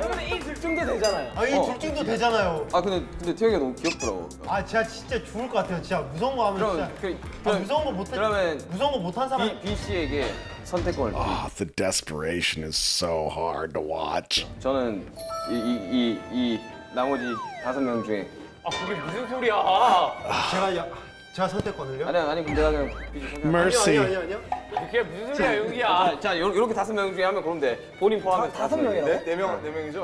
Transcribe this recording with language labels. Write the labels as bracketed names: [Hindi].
[Korean] 근데 이 둘중도 되잖아요. 아, 이 둘중도 되잖아요. 아, 근데 태혁이가 너무 귀엽더라고. 아, 제가 진짜 죽을 것 같아요. 진짜 무서운 거 하면 진짜. 그럼 무서운 거 못해. 그러면 무서운 거 못한 사람 B 씨에게 선택권을. [English] Ah, the desperation is so hard to watch. [Korean] 저는 이 나머지 다섯 명 중에. 아, 그게 무슨 소리야? 제가 선택권을요? 아니 근데 나는 [English] Mercy. [Korean] 아니요. 그게 무슨 소리야, 용기야? 자, 이렇게 다섯 명 중에 하면 그럼 돼. 본인 포함해서 다섯 명이야? 네 명이죠.